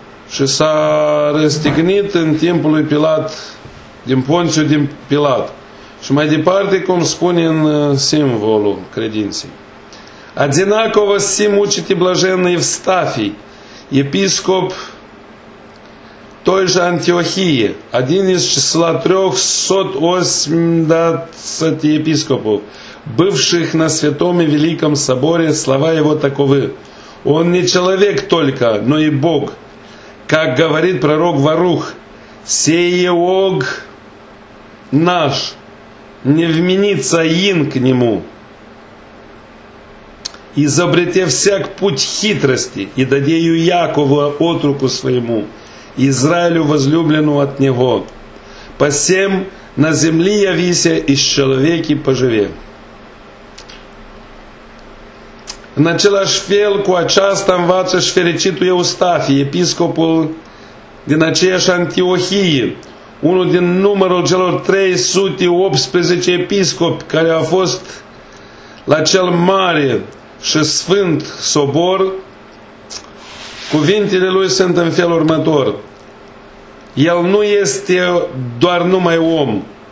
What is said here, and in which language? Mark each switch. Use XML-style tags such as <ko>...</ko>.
<ro>Și s-a răstignit în timpul lui Pilat, din Ponțiu din Pilat. Și mai departe, cum spune în simbolul credinței.</ro> <ru>Одинаково сим учите блаженный Евстафий, епископ той же Антиохии, один из числа 380 епископов, бывших на Святом и Великом Соборе, слова его таковы. Он не человек только, но и Бог. Как говорит пророк Варух, «Сей Ог наш, не вменится ин к нему, изобретя всяк путь хитрости, и дадею Якову отруку своему, Израилю возлюбленную от него, посем на земли явися, и с человеки поживе».</ru> <ro>În același fel, cu aceasta învață și fericitul Eustafie, episcopul din aceeași Antiohie, unul din numărul celor 318 episcopi care a fost la cel mare și sfânt sobor, cuvintele lui sunt în felul următor. El nu este doar numai om,</ro>